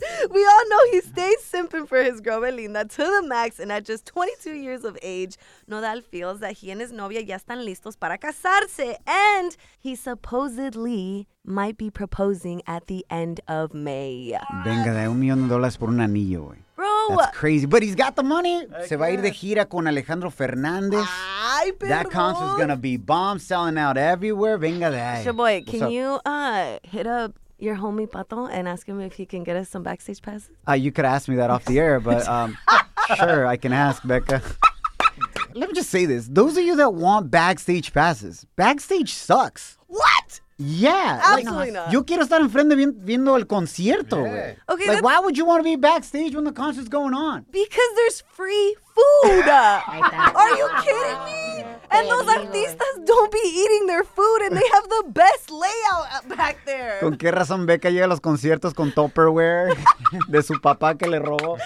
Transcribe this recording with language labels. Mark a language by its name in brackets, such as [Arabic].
[English] We all know he stays simping for his girl Belinda to the max, and at just 22 years of age, Nodal feels that he and his [Spanish] novia ya están listos para casarse, [English] and he supposedly might be proposing at the end of May. [Spanish] Venga, de $1,000,000 por un anillo, güey. [English] Bro. That's crazy, but he's got the money. [Spanish] Se va a ir de gira con Alejandro Fernández. Ay, perdón. [English] That concert's gonna be bomb, selling out everywhere. [Spanish] Venga, de ahí. [English] Shaboy, can you hit up your homie Pato and ask him if he can get us some backstage passes? You could ask me that off the air, but sure, I can ask, Becca. Let me just say this. Those of you that want backstage passes, backstage sucks. What? Yeah. Absolutely not. [Spanish] Yo quiero estar enfrente viendo el concierto. [English] Yeah. Okay. Like, why would you want to be backstage when the concert's going on? Because there's free food. Are you kidding me? And those artistas don't be eating their food, and they have the best layout back there. [Spanish] ¿Con qué razón Becca llega a los conciertos con Tupperware de su papá que le robó?